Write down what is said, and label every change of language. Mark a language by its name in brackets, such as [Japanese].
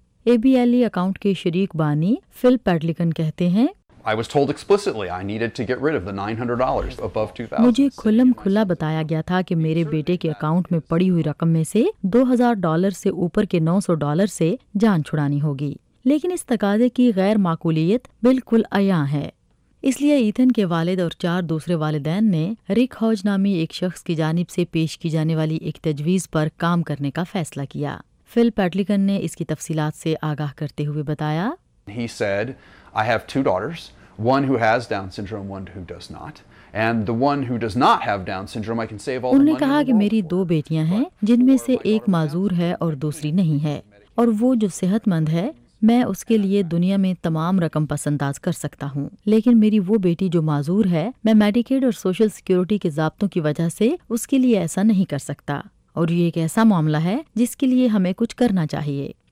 [Urdu] A be L E account کے شریک بانی فل پیڈلکن کہتے ہیں، مجھے کھلم کھلا بتایا گیا تھا کہ میرے بیٹے کے اکاؤنٹ میں پڑی ہوئی رقم میں سے $2,000 سے اوپر کے $900 سے جان چھڑانی ہوگی، لیکن اس تقاضے کی غیر معقولیت بالکل عیاں ہے۔ اس لیے ایتھن کے والد اور 4 دوسرے والدین نے رک ہاج نامی ایک شخص کی جانب سے پیش کی جانے والی ایک تجویز پر کام کرنے کا فیصلہ کیا۔ فل پیٹلکن نے اس کی تفصیلات سے آگاہ کرتے ہوئے بتایا، [English] He said, I have 2 daughters, one who has Down syndrome, one who does not. And the one who does not have Down syndrome, I can save all the money. [Urdu] انہوں نے کہا کہ میری 2 بیٹیاں ہیں جن میں سے ایک معذور ہے اور دوسری نہیں ہے، اور وہ جو صحت مند ہے میں اس کے لیے دنیا میں تمام رقم پس انداز کر سکتا ہوں، لیکن میری وہ بیٹی جو معذور ہے میں میڈیکیڈ اور سوشل سیکیورٹی کے ضابطوں کی وجہ سے اس کے لیے ایسا نہیں کر سکتا، اور یہ ایک ایسا معاملہ ہے جس کے لیے ہمیں کچھ کرنا چاہیے۔